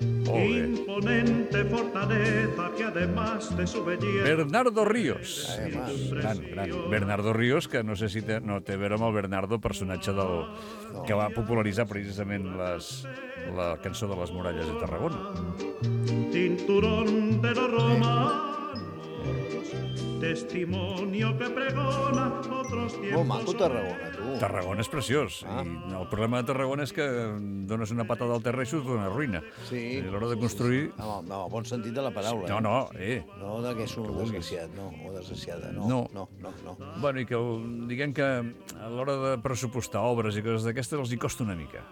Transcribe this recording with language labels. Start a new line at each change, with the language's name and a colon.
Spanish: Imponente fortaleza que además de su belleza... Bernardo Ríos. Gran.
Catalan: Bernardo Ríos, que no sé si té a veure amb el Bernardo, personatge del... que va popularitzar precisament la cançó de les muralles de Tarragona.
Spanish: Cinturón de los romanos, testimonio que pregona otros tiempos.
Catalan: Oh, maco Tarragona, tu. Tarragona és preciós. Ah. I el problema de Tarragona és que dones una patada al terra i surt una ruïna. Sí. I a l'hora de construir... No, no, bon sentit de la paraula. No, no, eh. No, de que és un desgraciat, no, o desgraciada, no. No, no, no, no. Bueno, i que diguem que a l'hora de pressupostar obres i coses d'aquestes els hi costa una mica.